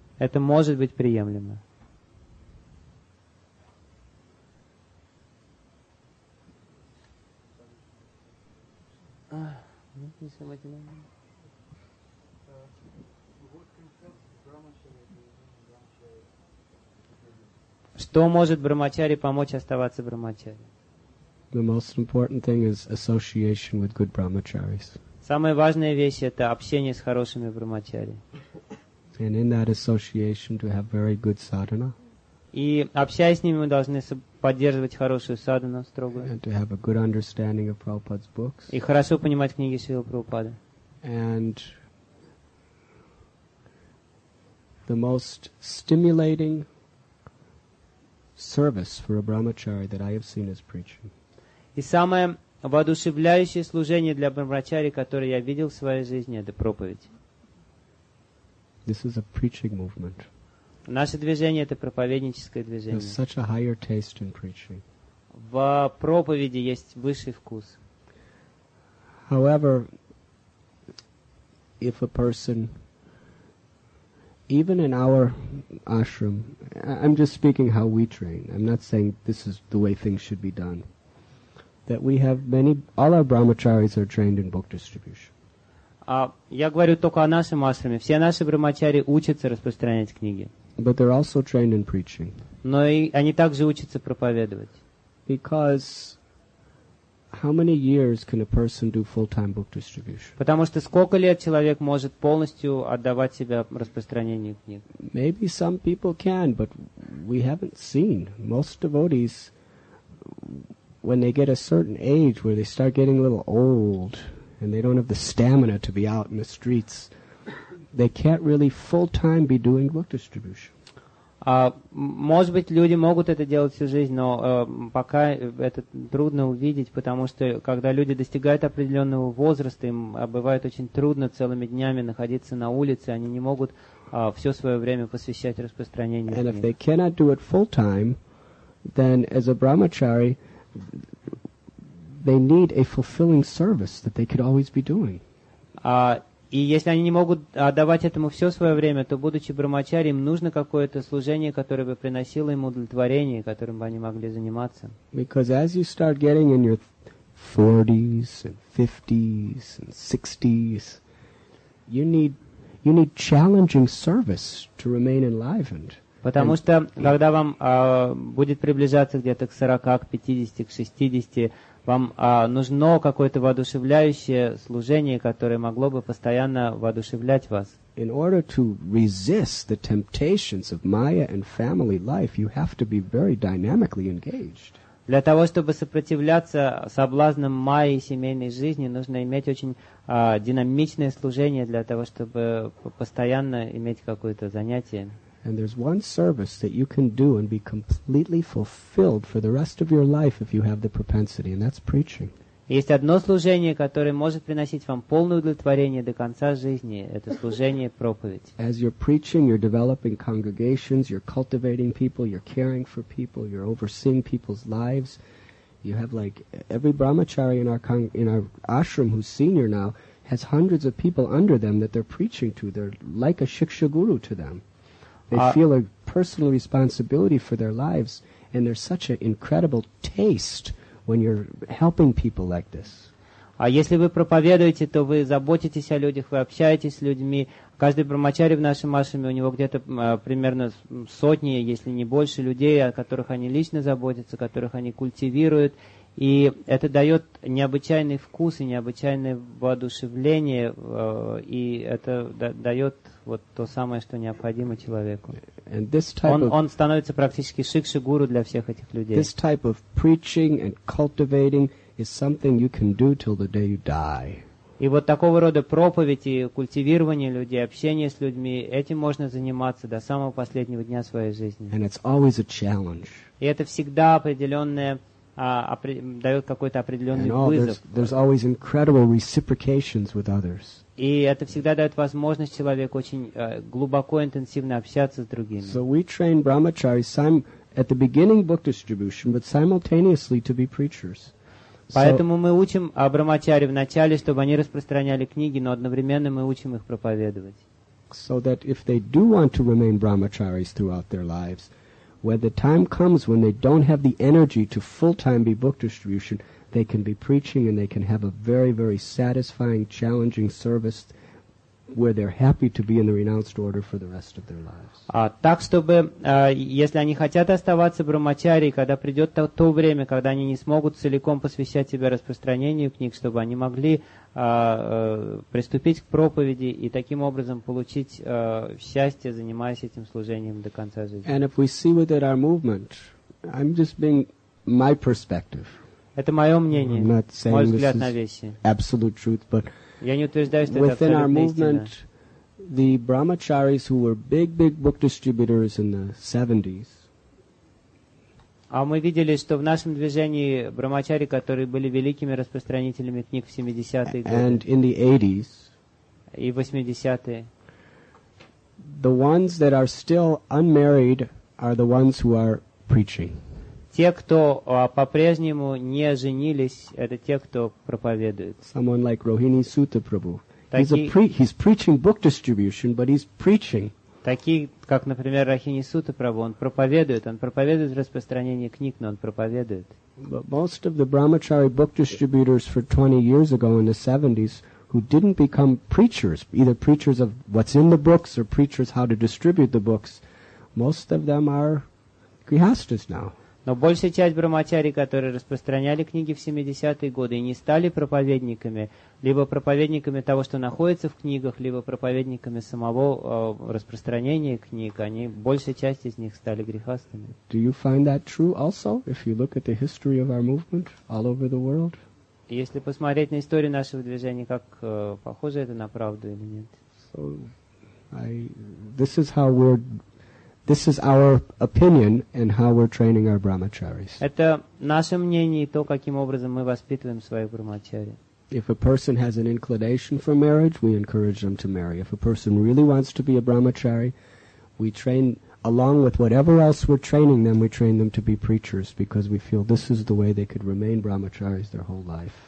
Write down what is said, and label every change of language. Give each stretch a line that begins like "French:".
Russian: Это может быть приемлемо. Что может брахмачари помочь оставаться брахмачари?
English: The most important thing is association with good brahmacharis.
Russian: Самая важная вещь – это общение с хорошими брахмачари.
English: And in that association to have very good sadhana.
Russian: И общаясь с ними, мы должны поддерживать хорошую садхану строгую.
English: And to have a good understanding of Prabhupada's books.
Russian: И хорошо понимать книги Шрилы Прабхупады.
English: And the most stimulating service for a brahmachari that I have seen is preaching.
Russian: И самое воодушевляющее служение для брахмачари, которое я видел в своей жизни, это проповедь.
English: This is a preaching movement.
Russian: Наше движение – это проповедническое движение.
English: There's such a higher taste in preaching.
Russian: В проповеди есть высший вкус.
English: However, if a person, even in our ashram, I'm just speaking how we train. I'm not saying this is the way things should be done. That we have many, all our brahmacharis are trained in book distribution.
Russian: Я говорю только о нашем ашраме. Все наши брахмачари учатся распространять книги.
English: But they're also trained in preaching.
Russian: Но и они также учатся проповедовать.
English: Because how many years can a person do full-time book distribution?
Russian: Потому что сколько лет человек может полностью отдавать себя распространению книг?
English: Maybe some people can, but we haven't seen. Most devotees, when they get a certain age where they start getting a little old, and they don't have the stamina to be out in the streets, they can't really full-time be doing book distribution.
Russian: Может быть, люди могут это делать всю жизнь, но пока это трудно увидеть, потому что когда люди достигают определенного возраста, им бывает очень трудно целыми днями находиться на улице, они не могут все свое время посвящать распространению.
English: And if they cannot do it full-time, then as a brahmachari, they need a fulfilling service that they could always be doing.
Russian: И если они не могут отдавать этому все свое время, то, будучи брахмачари, им нужно какое-то служение, которое бы приносило им удовлетворение, которым бы они могли заниматься.
English: Because as you start getting in your 40s and 50s and 60s, you need challenging service to remain enlivened.
Russian: Потому что, когда вам будет приближаться где-то к 40, к 50, к 60, вам нужно какое-то воодушевляющее служение, которое могло бы постоянно воодушевлять вас.
English: In order to resist the temptations of Maya and family life, you have to be very dynamically engaged.
Russian: Для того, чтобы сопротивляться соблазнам Майи и семейной жизни, нужно иметь очень динамичное служение для того, чтобы постоянно иметь какое-то занятие.
English: And there's one service that you can do and be completely fulfilled for the rest of your life if you have the propensity, and that's preaching.
Russian: Есть одно служение, которое может приносить вам полное удовлетворение до конца жизни. Это служение проповедь.
English: As you're preaching, you're developing congregations, you're cultivating people, you're caring for people, you're overseeing people's lives. You have like every brahmachari in our ashram who's senior now has hundreds of people under them that they're preaching to. They're like a shiksha guru to them. They feel a personal responsibility for their lives, and there's such an incredible taste when you're helping people like this.
Russian: А если вы проповедуете, то вы заботитесь о людях, вы общаетесь с людьми. Каждый брахмачари в нашем ашраме, у него где-то примерно сотни, если не больше, людей, о которых они лично заботятся, которых они культивируют. И это дает необычайный вкус и необычайное воодушевление, и это дает вот то самое, что необходимо человеку. Он становится практически шикши-гуру для всех этих людей.
English: This type of preaching and cultivating is something you can do till the day you die.
Russian: И вот такого рода проповедь и культивирование людей, общение с людьми, этим можно заниматься до самого последнего дня своей жизни.
English: And it's always a challenge.
Russian: И это всегда определенное дает какой-то определенный вызов.
English: There's always incredible reciprocations with others.
Russian: И это всегда дает возможность человеку очень глубоко, интенсивно общаться с другими.
English: So we train brahmachari at the beginning book distribution, but simultaneously to be preachers.
Russian: Поэтому мы учим брахмачари в начале, чтобы они распространяли книги, но одновременно мы учим их проповедовать.
English: So that if they do want to remain brahmacharis throughout their lives, when the time comes when they don't have the energy to full-time be book distribution, they can be preaching and they can have a very, very satisfying, challenging service where they're happy to be in the renounced order for the rest of their lives.
Russian: Так, чтобы, если они хотят оставаться брахмачари, когда придет то время, когда они не смогут целиком посвящать себя распространению книг, чтобы они могли приступить к проповеди и таким образом получить счастье, занимаясь этим служением до конца жизни.
English: And if we see within our movement, I'm just being my perspective.
Russian: Это мое мнение, мой взгляд на вещи.
English: Absolute truth, but
Russian: я не утверждаю, что
English: within
Russian: это
English: our movement,
Russian: истина.
English: The brahmacharis who were big book distributors in the 70s.
Russian: А мы видели, что в нашем движении брахмачари, которые были великими распространителями книг в 70-е годы.
English: And in the 80s.
Russian: И 80-е.
English: The ones that are still unmarried are the ones who are preaching.
Russian: Те, кто по-прежнему не женились, это те, кто проповедует.
English: Someone like Rohini Sutta Prabhu. He's preaching book distribution, but he's preaching.
Russian: Такие, как, например, Рохини Сутта Прабху, он проповедует распространение книг, но он проповедует.
English: But most of the brahmachari book distributors for 20 years ago in the 70s who didn't become preachers, either preachers of what's in the books or preachers how to distribute the books, most of them are grihasthas now.
Russian: Но большая часть брахмачари, которые распространяли книги в 70-е годы и не стали проповедниками, либо проповедниками того, что находится в книгах, либо проповедниками самого распространения книг, они, большая часть из них, стали грехастами.
English: Do you find that true also, if you look at the history of our movement all over the world?
Russian: Если посмотреть на историю нашего движения, как похоже это на правду или нет?
English: So, this is how we're... This is our opinion and how we're training our brahmacharis.
Russian: Это наше мнение и то, каким образом мы воспитываем своих брахмачари.
English: If a person has an inclination for marriage, we encourage them to marry. If a person really wants to be a brahmachari, we train along with whatever else we're training them, we train them to be preachers because we feel this is the way they could remain brahmacharis their whole life.